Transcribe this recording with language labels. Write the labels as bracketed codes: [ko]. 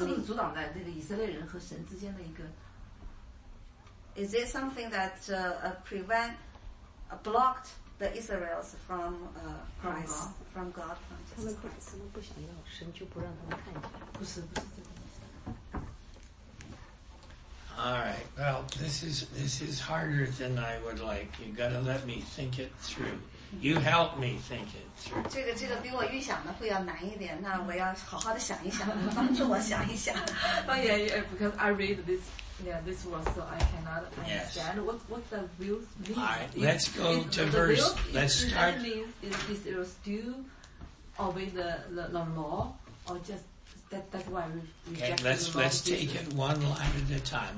[zh] 是不是阻挡在那个以色列人和神之间的一个？ [en] Is it something that prevent blocked the Israelites from Christ from God? [zh] 他们本身不想要，神就不让他们看见。不是这个意思。 [en] All right. Well, this is harder than I would like. You got to let me think it through. You help me think it through. [zh] 这个比我预想的会要难一点。那我要好好的想一想，帮助我想一想。 [en] Oh, yeah, because I read this. Yeah, this word, so I cannot understand what the will means. All right. Let's go to verse. Let's start. The will means is it still obey the law or just. Let's take it one line at a time.